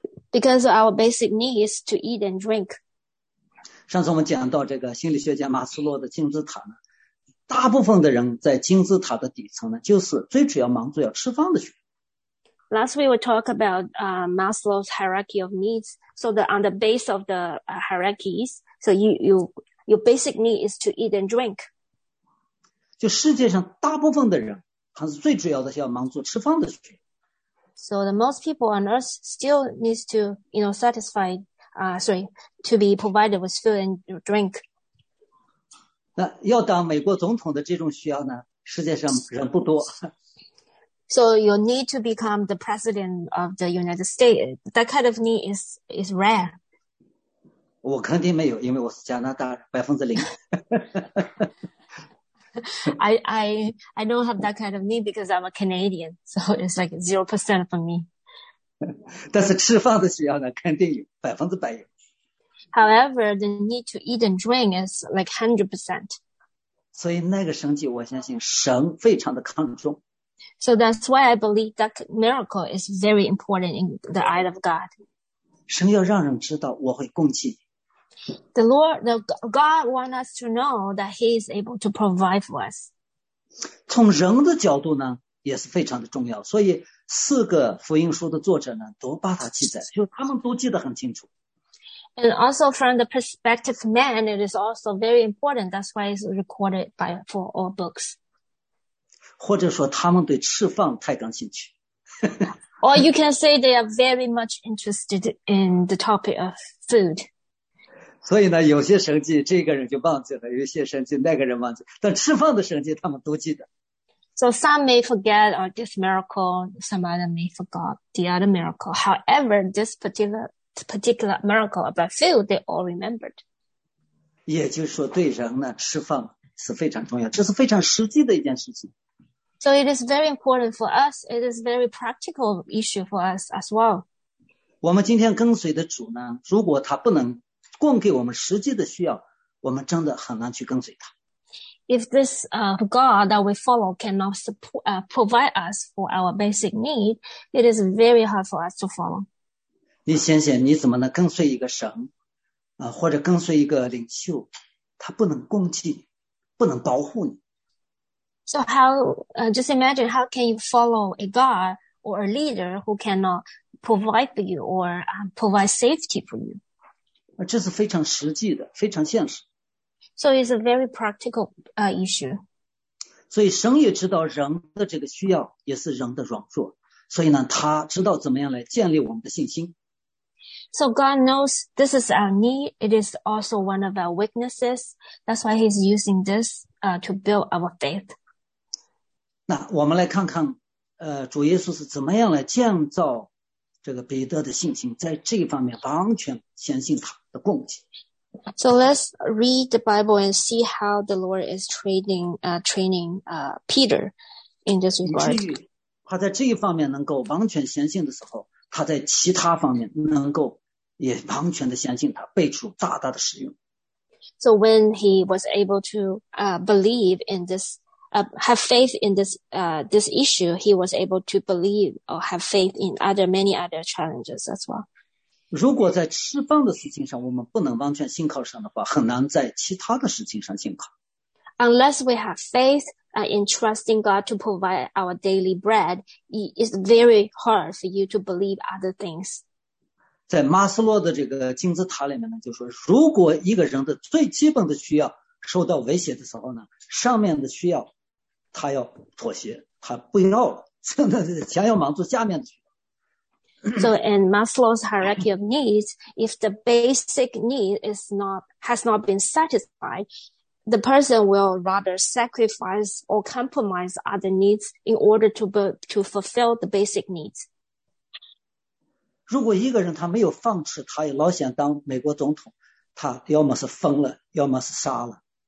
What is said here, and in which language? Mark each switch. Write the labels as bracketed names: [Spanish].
[English] Because our basic need is to eat and drink. [Chinese] 上次我们讲到这个心理学家马斯洛的金字塔呢大部分的人在金字塔的底层呢，就是最主要忙着要吃饭的去。 [English] Last week we talk about Maslow's hierarchy of needs. So that on the base of the hierarchies, so your basic need is to eat and drink. [Chinese] 就世界上大部分的人，还是最主要的是要忙着吃饭的去。 [English] So the most people on earth still needs to, you know, satisfy, to be provided with food and drink. [Chinese] 那要当美国总统的这种需要呢，世界上人不多。 [English] So you need to become the president of the United States. That kind of need is rare. [Chinese] 我肯定没有，因为我是加拿大人，0%。 [English] I don't have that kind of need because I'm a Canadian, so it's like 0% for me. [Chinese] 但是吃饭的需要呢，肯定有，100%有。 [English] However, the need to eat and drink is like 100%. [Chinese] 所以那个神迹，我相信神非常的看重。 [English] So that's why I believe that miracle is very important in the eyes of God. [Chinese] 神要让人知道我会供给。 [English] The Lord, the God wants us to know that He is able to provide for us. [Chinese] 从人的角度呢，也是非常的重要。所以四个福音书的作者呢，都把它记载，就他们都记得很清楚。 [English] And also from the perspective of man, it is also very important. That's why it's recorded by for all books. [Chinese] 或者说他们对吃饭太感兴趣。 [English] Or you can say they are very much interested in the topic of food. [Chinese] 所以呢，有些神迹这个人就忘记了，有些神迹那个人忘记，但吃饭的神迹他们都记得。 [English] So some may forget or this miracle, some other may forgot the other miracle. However, this particular miracle about food, they all remembered. [Chinese] 也就是说，对人呢，吃饭是非常重要，这是非常实际的一件事情。 [English] So it is very important for us. It is very practical issue for us as well. [Chinese] 我们今天跟随的主呢，如果他不能供给我们实际的需要，我们真的很难去跟随他。 [English] If this God that we follow cannot support, provide us for our basic need, it is very hard for us to follow. [Chinese] 你想想，你怎么能跟随一个神，或者跟随一个领袖，他不能供给你，不能保护你。 [English] So how, just imagine how can you follow a God or a leader who cannot provide for you or provide safety for you? [Chinese] 这是非常实际的，非常现实。 [English] So it's a very practical issue. [Chinese] 所以神也知道人的这个需要，也是人的软弱。所以呢，他知道怎么样来建立我们的信心。 [English] So God knows this is our need. It is also one of our weaknesses. That's why He's using this to build our faith. [Chinese] 那我们来看看，主耶稣是怎么样来建造这个彼得的信心，在这一方面完全相信他的供给。 [English] So let's read the Bible and see how the Lord is training Peter in this regard. [Chinese] 他在这一方面能够完全相信的时候，他在其他方面能够也完全的相信他，被主大大的使用。 [English] So when he was able to believe in this, have faith in this, this issue, he was able to believe or have faith in other, many other challenges as well. [Chinese] 如果在吃饭的事情上我们不能完全信靠神的话，很难在其他的事情上信靠。 [English] Unless we have faith in trusting God to provide our daily bread, it's very hard for you to believe other things. [Chinese] 在马斯洛的这个金字塔里面呢，就说如果一个人的最基本的需要受到威胁的时候呢，上面的需要他要妥协，他不要了，想要满足下面的需要。 [English] So in Maslow's hierarchy of needs, if the basic need has not been satisfied, the person will rather sacrifice or compromise other needs in order to fulfill the basic needs. [Chinese] 如果一个人他没有饭吃，他也老想当美国总统，他要么是疯了，要么是杀了。